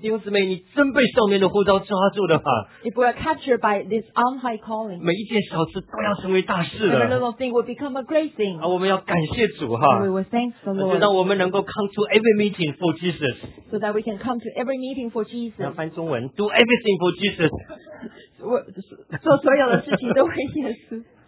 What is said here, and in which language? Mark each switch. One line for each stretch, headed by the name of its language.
Chinese: 弟兄姊妹, 你真被上面的呼召抓住的话,
English: if we are captured by this on high calling,
Chinese: 每一件小事都要成为大事了,
English: and a little thing will become a great thing.
Chinese: 啊, 我们要感谢主, and
English: we will thank the Lord.
Chinese: 让我们能够
English: come to every meeting for Jesus. So that we can come to every meeting for Jesus.
Chinese: 要翻中文,
English: do everything for Jesus.
Chinese: 做所有的事情都为耶稣。